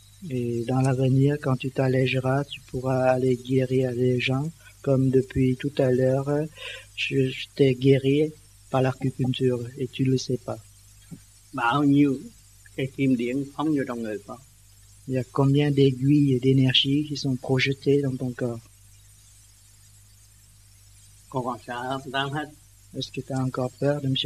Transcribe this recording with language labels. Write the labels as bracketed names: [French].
[French] Et dans l'avenir, quand tu t'allégeras, tu pourras aller guérir les gens, comme depuis tout à l'heure, je t'ai guéri par l'acupuncture, et tu ne le sais pas. [Vietnamese] Bao nhiêu cái kim điện phóng vô trong người con. [French] Il y a combien d'aiguilles d'énergie qui sont projetées dans ton corps? [Vietnamese] Con còn sợ ông Tam hết. [French] Est-ce que tu as encore peur de M.